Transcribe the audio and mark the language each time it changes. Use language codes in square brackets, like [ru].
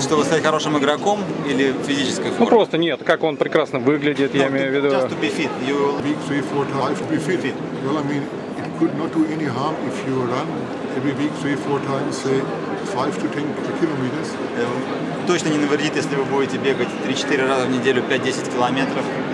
[ru] Чтобы стать хорошим игроком или физической формой? Ну просто нет. Как он прекрасно выглядит, я имею в виду. [en] Just to be fit. You will be 3-4 times to be fit. Well, I mean, it could not do any harm if you run every week 3-4 times, say, 5-10 km. [ru] Точно не навредит, если вы будете бегать 3-4 раза в неделю 5-10 километров.